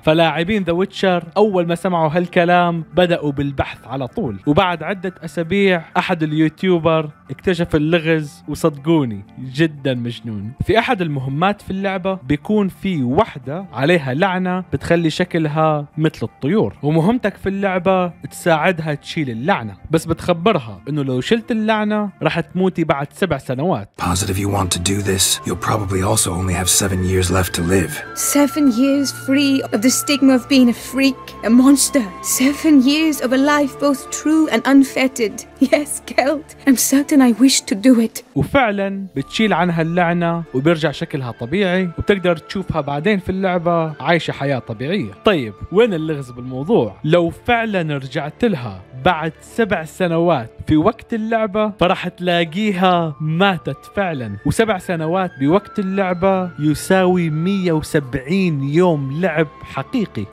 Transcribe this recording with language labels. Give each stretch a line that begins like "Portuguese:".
Arabic: فلاعبين The Witcher أول ما سمعوا هالكلام بدأوا بالبحث على طول، وبعد عدة أسابيع أحد اليوتيوبر اكتشف اللغز، وصدقوني جدا مجنون. في أحد المهمات في اللعبة بيكون في وحدة عليها لعنة بتخلي شكلها مثل الطيور، ومهمتك في اللعبة تساعدها تشيل اللعنة، بس بتخبرها إنه لو شلت اللعنة راح تموتي بعد 7 سنوات.
English: Positive, you want to do this, you'll probably also only have 7 years left to live. 7 years free of the stigma of being a freak, a monster. 7 years of a life both true and unfettered. Yes, Geralt, I'm certain I wish to do it.
Arabic: وفعلا بتشيل عنها اللعنة وبيرجع شكلها طبيعي، وبتقدر تشوفها بعدين في اللعبة عايشة حياة طبيعية. طيب وين اللغز بالموضوع؟ لو فعلا رجعت لها بعد 7 سنوات في وقت اللعبة، فراح تلاقيها ماتت فعلا، وسبع سنوات بوقت اللعبة يساوي 170 يوم لعب حقيقي.